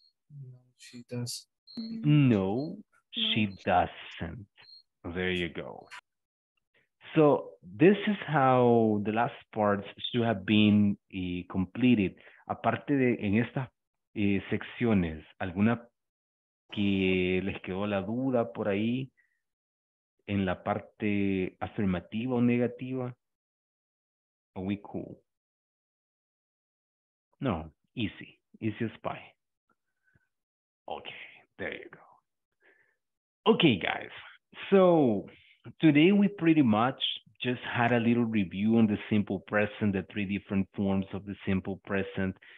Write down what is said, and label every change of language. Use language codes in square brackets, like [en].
[en] No, she does. No, she doesn't. There you go. So this is how the last parts should have been completed. [es] Aparte de en esta secciones, alguna que les quedó la duda por ahí en la parte afirmativa o negativa. [en] Are we cool? No, easy as pie. Okay, there you go. Okay, guys. So today we pretty much just had a little review on the simple present, the three different forms of the simple present.